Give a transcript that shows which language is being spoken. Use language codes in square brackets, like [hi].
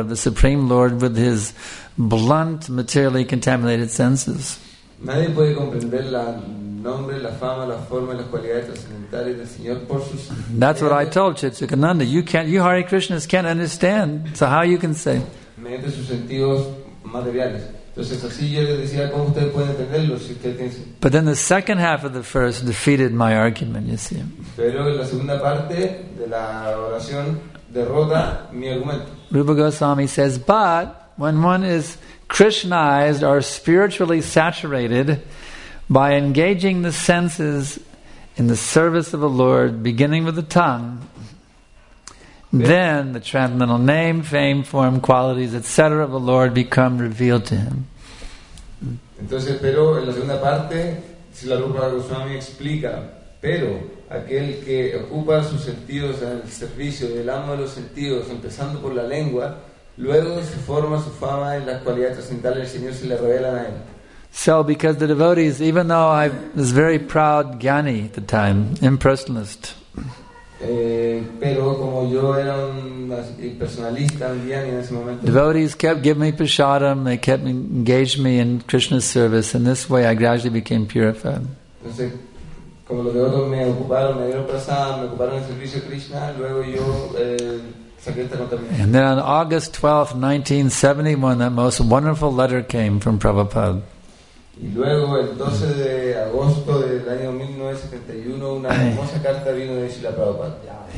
[en] of the Supreme Lord with his blunt, materially contaminated senses. [es] Nadie puede comprender la nombre, la fama, la forma y las cualidades trascendentales del Señor por sus. [en] That's what I told Chitsukananda. You can't, you Hare Krishnas can't understand. So how you can say? [es] Mediante sus sentidos materiales. Entonces así yo les decía cómo ustedes pueden entenderlo si ustedes tienen. [en] But then the second half of the first defeated my argument, you see. [es] Pero la segunda parte de la oración derrota mi argumento. [en] Rupa Goswami says, but when one is Krishnized or spiritually saturated by engaging the senses in the service of the Lord, beginning with the tongue. Then the transcendental name, fame, form, qualities, etc. of the Lord become revealed to him. [es] Entonces, pero en la segunda parte, si la Rupa Goswami explica, pero aquel que ocupa sus sentidos en el servicio del amo de los sentidos, empezando por la lengua, luego su forma, su fama y las cualidades trascendentales del Señor se le revelan a él. [en] So, because the devotees, even though I was very proud Gyani at the time, impersonalist. [es] Pero como yo era un personalista en ese momento, [en] devotees kept giving me prasadam, they kept engaging me in Krishna's service, and this way I gradually became purified. [es] Entonces, como los devotos me ocuparon, me dieron prasadam, me ocuparon el servicio de Krishna, luego yo [en] And then on August 12, 1971, that most wonderful letter came from Prabhupada. [es] Y luego el 12 de agosto del año 1971 una hermosa carta vino de Srila Prabhupada.